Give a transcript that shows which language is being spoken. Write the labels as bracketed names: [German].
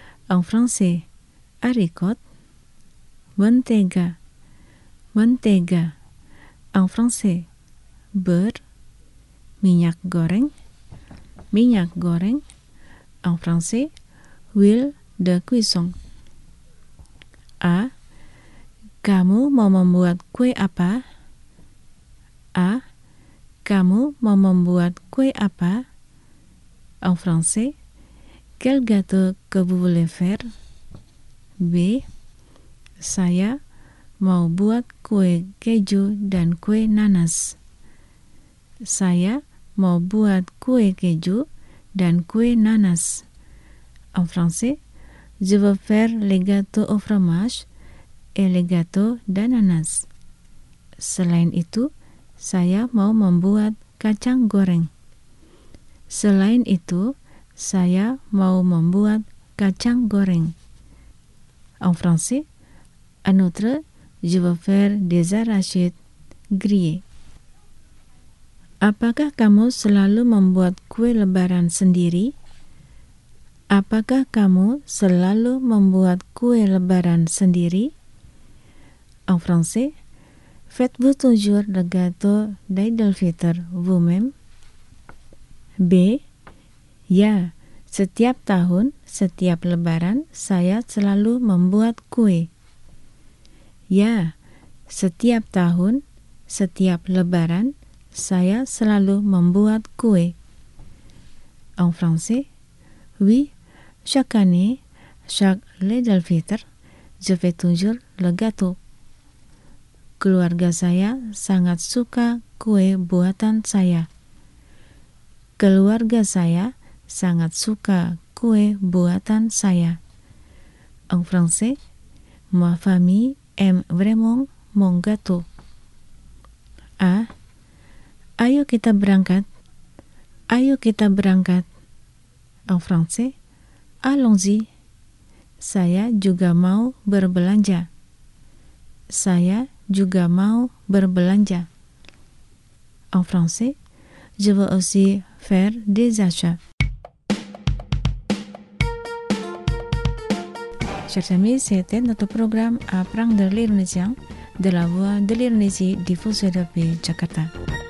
[French] En français, haricot. [Indonesian] Mentega, mentega. [French] En français, beurre, [Indonesian] minyak goreng, minyak goreng. [French] En français, huile de cuisson. A. [Indonesian] Kamu mau membuat kue apa? A. Kamu mau membuat kue apa? [French] En français, quel gâteau que vous voulez faire? B. [Indonesian] Saya mau buat kue keju dan kue nanas. Saya mau buat kue keju dan kue nanas. [French] En français, je veux faire les gâteaux au fromage et les gâteaux d'ananas. [Indonesian] Selain itu, saya mau membuat kacang goreng. Selain itu, saya mau membuat kacang goreng. [French] En français, en outre, je veux faire des arachides grillées. [Indonesian] Apakah kamu selalu membuat kue lebaran sendiri? Apakah kamu selalu membuat kue lebaran sendiri? [French] En français, faites-vous toujours le gâteau d'Eid al-Fitr vous-même? [Indonesian] B. Ya, setiap tahun, setiap lebaran, saya selalu membuat kue. Ya, setiap tahun, setiap lebaran, saya selalu membuat kue. [French] En français, oui, chaque année, chaque l'Eid al-Fitr, je fais toujours le gâteau. [Indonesian] Keluarga saya sangat suka kue buatan saya. Keluarga saya sangat suka kue buatan saya. [French] En français, ma famille aime vraiment mon gâteau. [Indonesian] A. Ayo kita berangkat. Ayo kita berangkat. [French] En français, allons-y. [Indonesian] Saya juga mau berbelanja. Saya juga mau berbelanja. [French] En français, je veux aussi faire des achats. Chers amis, c'était notre programme Apprendre l'Indonésien de la voix de l'Indonésie diffusé depuis Jakarta.